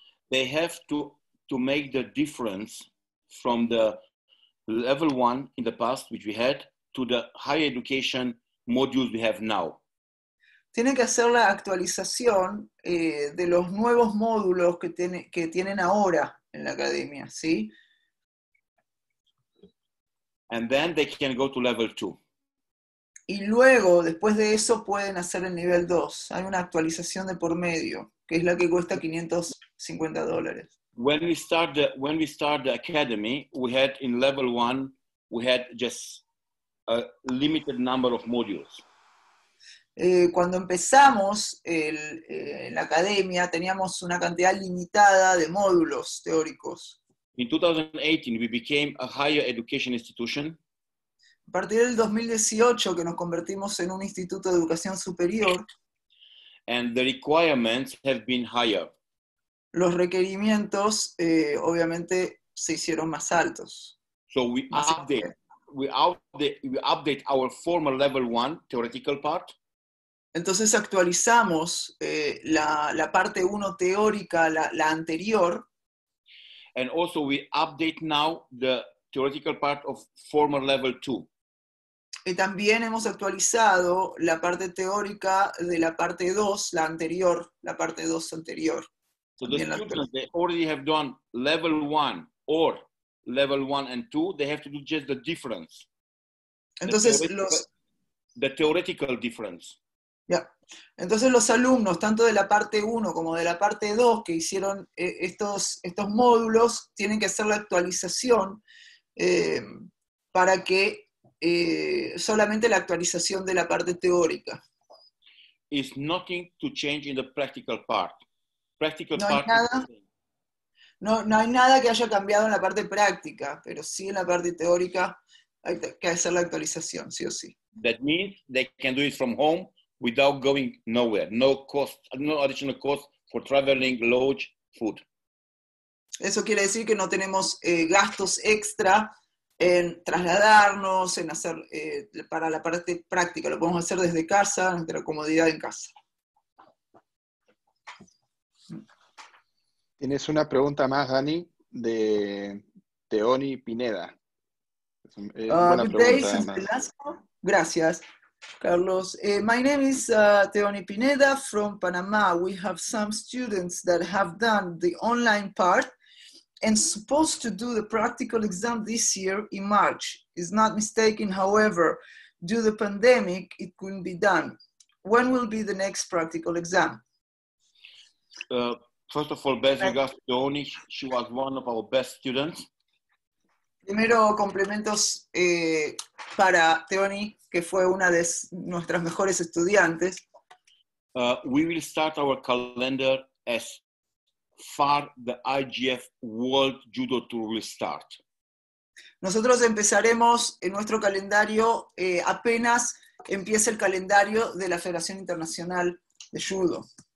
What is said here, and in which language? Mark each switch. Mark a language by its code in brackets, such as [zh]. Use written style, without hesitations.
[en] they have to make the difference from the level one in the past, which we had, to the higher education modules we have now. [es] Tienen que hacer la actualización de los nuevos módulos que tienen ahora en la academia, ¿sí? [en] And then they can go to level two. [es] Y luego, después de eso, pueden hacer el nivel 2. Hay una actualización de por medio, que es la que cuesta $550. [en] When we start the academy, we had in level 1, we had just a limited number of modules. [es] Cuando empezamos la academia, teníamos una cantidad limitada de módulos teóricos. [en] In 2018, we became a higher education institution. [es] A partir del 2018 que nos convertimos en un instituto de educación superior. [en] And the requirements have been higher. [es] Los requerimientos obviamente se hicieron más altos. [en] So we update our former level 1 theoretical part. [es] Entonces actualizamos la parte 1 teórica, la anterior. [en] And also we update now the theoretical part of former level 2. [es] Y también hemos actualizado la parte teórica de la parte 2, la anterior, la parte 2 anterior. [en] So the students, they already have done level one or level one and two, they have to do just the difference. [es] Entonces, [en] the theoretical difference. Yeah. [es] Entonces los alumnos, tanto de la parte 1 como de la parte 2 que hicieron estos módulos, tienen que hacer la actualización para que solamente la actualización de la parte teórica. [en] It's nothing to change in the practical part. Practical no part. [es] Hay nada, no hay nada que haya cambiado en la parte práctica, pero sí en la parte teórica hay que hacer la actualización, sí o sí. [en] That means they can do it from home without going nowhere. No cost, no additional cost for traveling, lodge, food. [es] Eso quiere decir que no tenemos gastos extra en trasladarnos, en hacer para la parte práctica. Lo podemos hacer desde casa, desde la comodidad en casa. Tienes una pregunta más, Dani, de Teoni Pineda. Buena pregunta, gracias. [en] Carlos, my name is Teoni Pineda from Panama. We have some students that have done the online part and supposed to do the practical exam this year in March. It's not mistaken, however, due to the pandemic, it couldn't be done. When will be the next practical exam? First of all, best regards to Teoni. She was one of our best students. [es] Primero, complementos para Teoni, que fue una de nuestras mejores estudiantes. [en] We will start our calendar as far the IGF World Judo Tour will start. [es] Nosotros empezaremos en nuestro calendario apenas empiece el calendario de la Federación Internacional de Judo.